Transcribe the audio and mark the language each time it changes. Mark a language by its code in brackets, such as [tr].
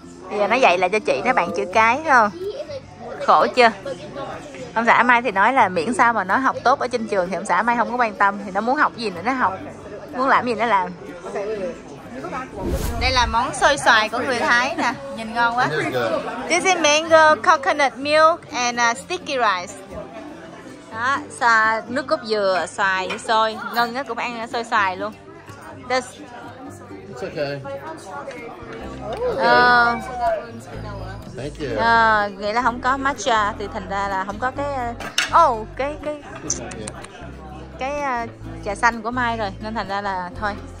[vi] Bây giờ nó dạy lại cho chị nó bạn chữ cái không, khổ chưa. Ông xã Mai thì nói là miễn sao mà nó học tốt ở trên trường thì ông xã Mai không có quan tâm, thì nó muốn học gì nữa nó học, muốn làm gì nó làm. Đây là món xôi xoài của người Thái nè, nhìn ngon quá. [en] This is mango coconut milk and sticky rice. [vi] Đó, xoài, nước cốt dừa, xoài, xôi. Ngân nó cũng ăn xôi xoài luôn. [en] This. It's okay. Thank you. [vi] Nghĩa là không có matcha thì thành ra là không có cái cái trà xanh của Mai rồi nên thành ra là thôi.